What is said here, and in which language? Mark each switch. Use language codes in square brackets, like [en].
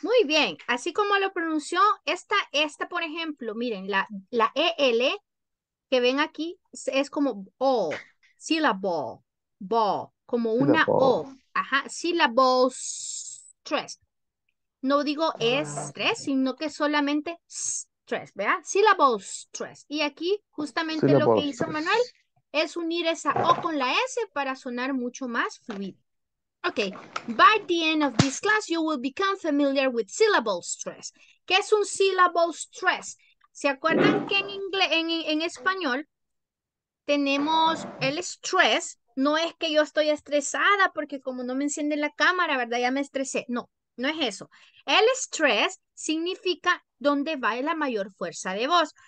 [es] Muy bien, así como lo pronunció, esta por ejemplo, miren, la EL que ven aquí es como O, syllable, bo, como una O, ajá, syllable stress. No digo estrés, sino que solamente stress, ¿verdad? Syllable stress. Y aquí justamente syllable lo que hizo stress. Manuel es unir esa O con la S para sonar mucho más fluido. [en] Okay, by the end of this class, you will become familiar with syllable stress. [es] ¿Qué es un syllable stress? ¿Se acuerdan que en inglés, en español tenemos el stress? No es que yo estoy estresada porque como no me encienden la cámara, ¿verdad? Ya me estresé. No, no es eso. El stress significa dónde va la mayor fuerza de voz.